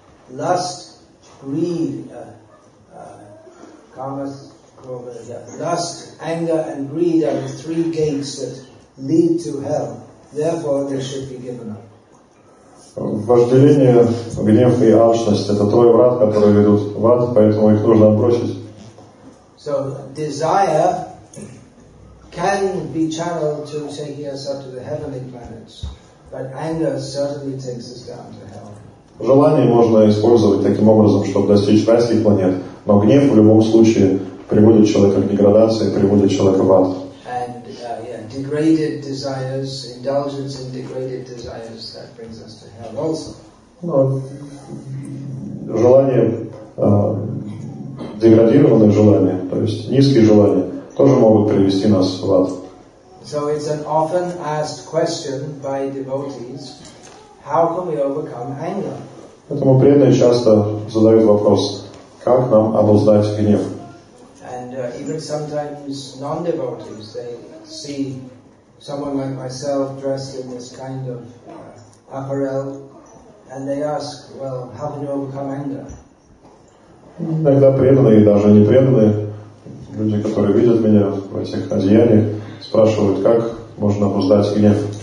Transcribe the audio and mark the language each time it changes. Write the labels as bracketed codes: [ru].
[en] Lust, greed, kamas krodhastata, lust, anger and greed are the three gates that lead to hell. Therefore they should be given up. [ru] Вожделение, гнев и алчность — это трое врат, которые ведут в ад, поэтому их нужно отбросить. [en] So desire can be channeled to take us up to the heavenly planets, but anger certainly takes us down to hell. [ru] Желание можно использовать таким образом, чтобы достичь райских планет, но гнев в любом случае приводит человека к деградации, приводит человека в ад. [en] And degraded desires, indulgence in degraded desires, that brings us to hell also. [ru] Желание деградированные желания, то есть низкие желания, тоже могут привести нас в ад. [en] So it's an often asked question by devotees, how can we overcome anger? [ru] Поэтому преданные часто задают вопрос, как нам обуздать гнев? [en] And even sometimes non-devotees, they see someone like myself dressed in this kind of apparel, and they ask, well, how can you overcome anger? [ru] Иногда преданные и даже непреданные люди, которые видят меня в этих одеяниях, спрашивают, как можно обуздать гнев.